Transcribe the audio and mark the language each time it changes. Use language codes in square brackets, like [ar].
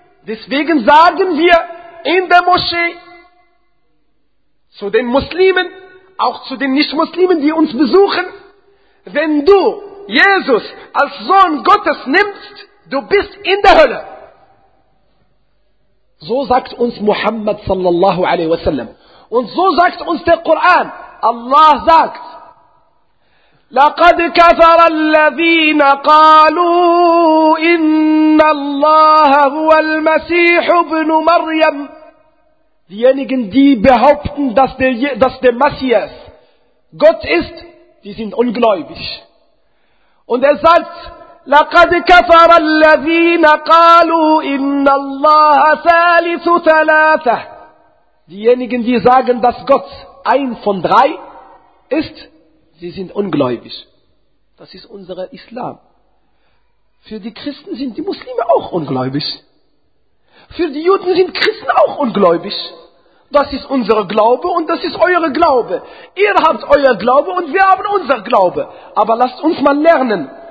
[de] Deswegen sagen wir in der Moschee zu den Muslimen, auch zu den Nicht-Muslimen, die uns besuchen, wenn du Jesus als Sohn Gottes nimmst, du bist in der Hölle. So sagt uns Muhammad sallallahu alaihi wasallam. Und so sagt uns der Koran. Allah sagt, [ar] لقد كفر الذين قالوا إن الله هو المسيح ابن مريم. [de] Diejenigen, die behaupten, dass der Messias Gott ist, die sind ungläubig. Und er sagt, [ar] لقد كفر الذين قالوا إن الله ثالث ثلاثة. [de] Diejenigen, die sagen, dass Gott ein von drei ist, sie sind ungläubig. Das ist unser Islam. Für die Christen sind die Muslime auch ungläubig. Für die Juden sind Christen auch ungläubig. Das ist unser Glaube und das ist euer Glaube. Ihr habt euer Glaube und wir haben unser Glaube. Aber lasst uns mal lernen,